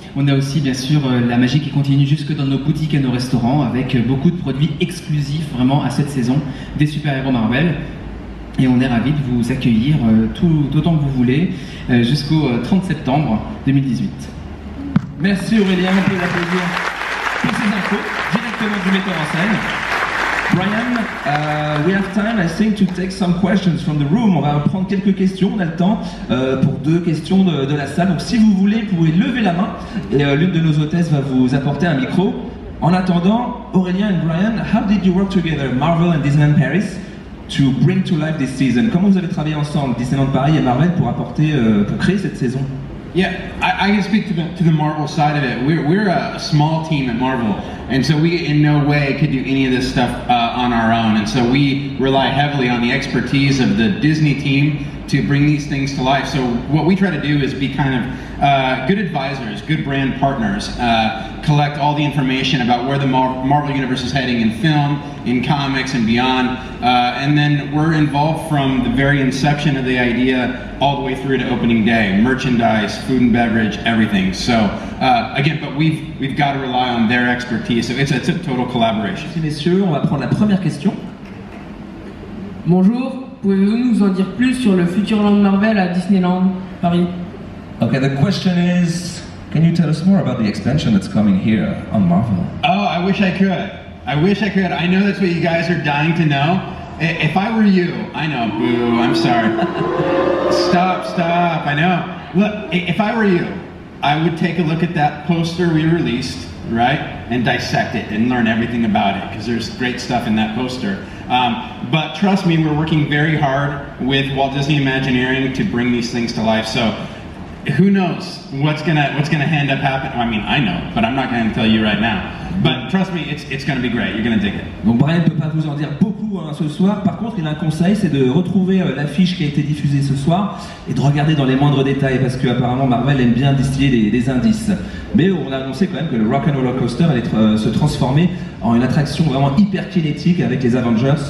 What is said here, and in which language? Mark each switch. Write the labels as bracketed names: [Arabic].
[French] On a aussi bien sûr la magie qui continue jusque dans nos boutiques et nos restaurants avec beaucoup de produits exclusifs vraiment à cette saison des super-héros Marvel. Et on est ravis de vous accueillir tout autant que vous voulez jusqu'au 30 septembre 2018. Merci Aurélien, on peut l'applaudir pour ces infos directement du metteur en scène. [English] Brian, we have time, I think, to take some questions from the room. [French] On va prendre quelques questions, on a le temps pour deux questions de la salle. Donc si vous voulez, vous pouvez lever la main et l'une de nos hôtesses va vous apporter un micro. En attendant, [English] Aurélien et Brian, how did you work together, Marvel and Disneyland Paris? To bring to life this season. [French] Comment vous avez travaillé ensemble, Disneyland Paris et Marvel, pour apporter, pour créer cette saison? [English] Yeah, I can speak to the Marvel side of it. We're a small team at Marvel, and so we in no way could do any of this stuff on our own. And so we rely heavily on the expertise of the Disney team to bring these things to life. So what we try to do is be kind of good advisors, good brand partners, collect all the information about where the Marvel Universe is heading in film, in comics, and beyond. And then we're involved from the very inception of the idea all the way through to opening day, merchandise, food and beverage, everything. So again, but we've got to rely on their expertise. So it's a total collaboration. [French] Merci messieurs, on va prendre la première question. Bonjour, pouvez-vous nous en dire plus sur le Futureland Marvel à Disneyland Paris? [English] Okay, the question is, can you tell us more about the expansion that's coming here on Marvel? Oh, I wish I could. I wish I could. I know that's what you guys are dying to know. If I were you, I know, boo, I'm sorry. Stop, I know. Look, if I were you, I would take a look at that poster we released, right? And dissect it and learn everything about it, because there's great stuff in that poster. But trust me, we're working very hard with Walt Disney Imagineering to bring these things to life. So. Who knows what's gonna end up happening? I mean, I know, but I'm not gonna tell you right now. But trust me, it's gonna be great. You're gonna dig it. [French] Donc Brian ne peut pas vous en dire beaucoup hein, ce soir. Par contre, il a un conseil, c'est de retrouver l'affiche qui a été diffusée ce soir et de regarder dans les moindres détails parce que apparemment Marvel aime bien distiller des indices. Mais on a annoncé quand même que le Rock and Roller Coaster allait se transformer en une attraction vraiment hyper kinétique avec les Avengers.